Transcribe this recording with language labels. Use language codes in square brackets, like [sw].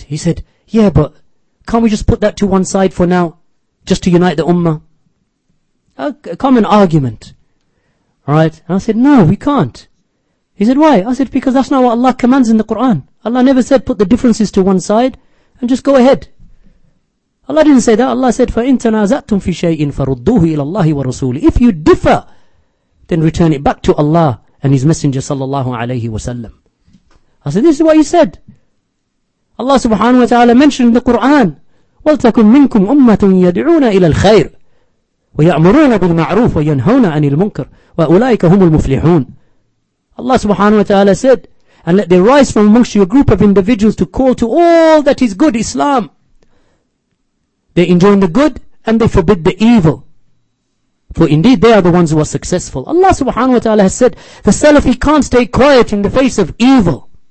[en] He said, yeah, but can't we just put that to one side for now? Just to unite the ummah? A common argument. Right? And I said, no, we can't. He said, why? I said, because that's not what Allah commands in the Quran. Allah never said, put the differences to one side and just go ahead. Allah didn't say that. Allah said, [ar] فَإِن تَنَازَعْتُمْ فِي شَيْءٍ فَرُدُّوهُ إِلَى اللَّهِ وَرَسُولِهِ. [en] If you differ, then return it back to Allah and His Messenger [ar] sallallahu alayhi wa sallam. [en] I said, this is what He said. Allah subhanahu wa ta'ala mentioned in the Quran, [ar] وَلْتَكُمْ مِنْكُمْ أُمَّةٌ يَدْعُونَ إِلَى الْخَيْرِ وَيَأْمُرُونَ بِالْمَعْرُوفِ وَيَنْهَوْنَ عَنِ الْمُنْكَرِ وَأُولَٰئِكَ هُمُ الْمُفْلِحُونَ. [en] Allah [ar] subhanahu wa ta'ala [en] said, and let there rise from amongst you a group of individuals to call to all that is good, Islam. They enjoin the good and they forbid the evil. For indeed they are the ones who are successful. Allah [ar] subhanahu wa ta'ala [en] has said, the Salafi can't stay quiet in the face of evil.